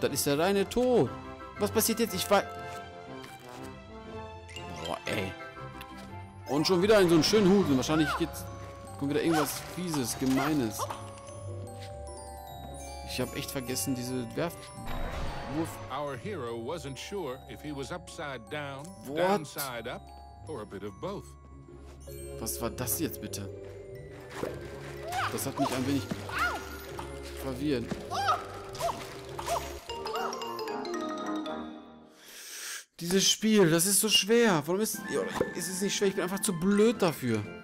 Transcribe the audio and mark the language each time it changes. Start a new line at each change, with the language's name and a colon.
German: Das ist der reine Tod. Was passiert jetzt? Ich war... Boah, ey. Und schon wieder in so einen schönen Hut. Und wahrscheinlich jetzt kommt wieder irgendwas Fieses, Gemeines. Ich habe echt vergessen, diese Werft.
English: Our hero wasn't sure if he was upside down, downside up, or a bit of both.
German: Was war das jetzt bitte? Das hat mich ein wenig verwirrt. Dieses Spiel, das ist so schwer. Warum ist es ist nicht schwer? Ich bin einfach zu blöd dafür.